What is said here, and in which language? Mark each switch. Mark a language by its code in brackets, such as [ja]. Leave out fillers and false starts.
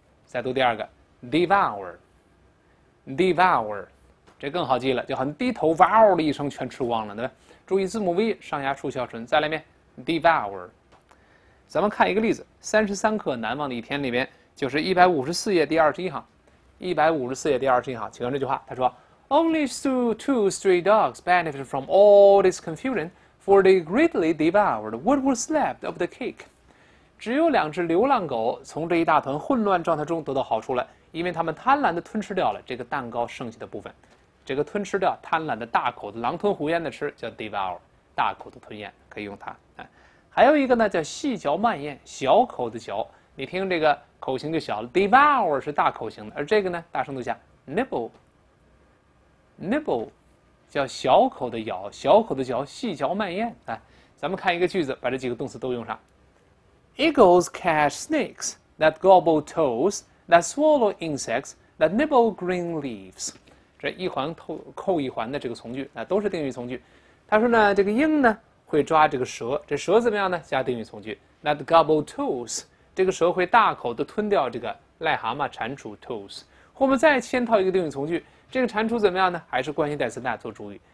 [zh] 再读第二个 devour，devour，这更好记了，就好像低头哇哦的一声全吃光了，对吧？注意字母 V 上牙触小唇，再来一遍。 [en] Devour。 [zh] 咱们看一个例子，《33课难忘的一天》里面，就是154页第二十一行，154页第21行，请看这句话。他说 [en] ：“Only two stray dogs benefited from all this confusion, for they greatly devoured what was left of the cake。” [zh] 只有两只流浪狗从这一大团混乱状态中得到好处了，因为他们贪婪地吞吃掉了这个蛋糕剩下的部分。这个吞吃掉，贪婪的大口的狼吞虎咽的吃，叫 devour。大口的吞咽可以用它，哎，还有一个呢，叫细嚼慢咽，小口的嚼。你听这个口型就小了 ，devour 是大口型的，而这个呢，大声读一下 ，nibble，nibble， 叫小口的咬，小口的嚼，细嚼慢咽。哎，咱们看一个句子，把这几个动词都用上。 [en] Eagles catch snakes that gobble toads, that swallow insects, that nibble green leaves。 [zh] 这一环扣一环的这个从句，那都是定语从句。他说呢，这个鹰呢会抓这个蛇，这蛇怎么样呢？加定语从句 ， [en] that gobble toads， [zh] 这个蛇会大口的吞掉这个癞蛤蟆、蟾蜍 toads。后面再嵌套一个定语从句，这个蟾蜍怎么样呢？还是关系代词 that 做主语。